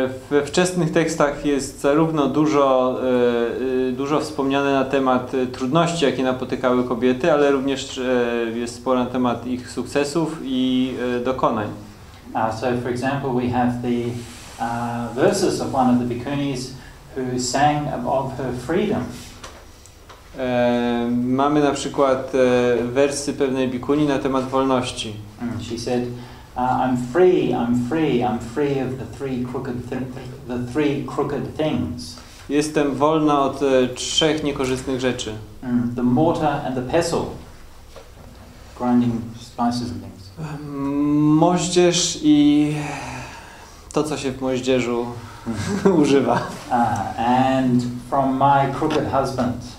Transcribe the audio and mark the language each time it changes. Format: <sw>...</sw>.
<pl>We wczesnych tekstach jest zarówno dużo wspomniane na temat trudności, jakie napotykały kobiety, ale również jest sporo na temat ich sukcesów i dokonań.</pl> <en>So for example we have the verses of one of the bhikkhunis who sang of her freedom.</en> <pl>Mamy na przykład wersy pewnej bhikkhuni na temat wolności.</pl> <en>She said, I'm free, I'm free, I'm free of the three crooked the three crooked things.</en> <pl>Jestem wolna od trzech niekorzystnych rzeczy.</pl> <en>The mortar and the pestle. Grinding spices and things.</en> <pl>Moździerz i to, co się w moździerzu używa.</pl> <en>And from my crooked husband.</en>